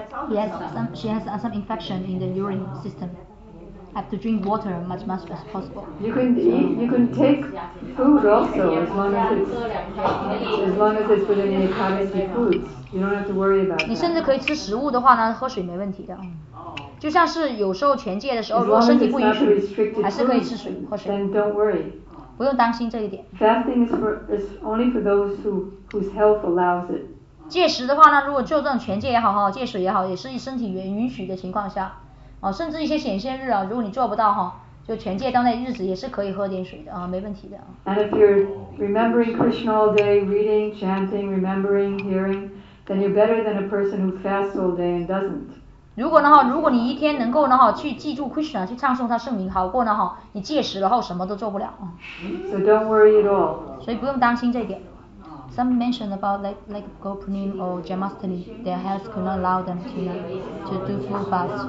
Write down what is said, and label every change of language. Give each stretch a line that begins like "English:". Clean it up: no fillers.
English: Yes, she has some infection in the urine system. Have to drink water much as possible. You can eat, you can take food also as long as it's within the Ekadasi foods. You don't have to worry about that.
Chinese: 你甚至可以吃食物的话呢，喝水没问题的。就像是有时候全戒的时候，如果身体不允许，还是可以吃水喝水。
English: Then don't worry.
Chinese: 不用担心这一点。
English: Fasting is only for those whose health allows it.
Chinese: 戒食的话呢，如果就这种全戒也好哈，戒水也好，也是身体允许的情况下，啊，甚至一些显现日啊，如果你做不到哈，就全戒当那日子也是可以喝点水的啊，没问题的。
English: And if you're remembering Krishna all day, reading, chanting, remembering, hearing, then you're better than a person who fasts all day and doesn't.
Chinese: 如果呢哈，如果你一天能够呢哈去记住 Krishna, 去唱诵他圣名，好过呢哈，你戒食了后什么都做不了。
English: So don't worry at all.
Chinese: 所以不用担心这一点。
English: Some mentioned about like Gopnim or Jamastani, their health could not allow them to do full fast.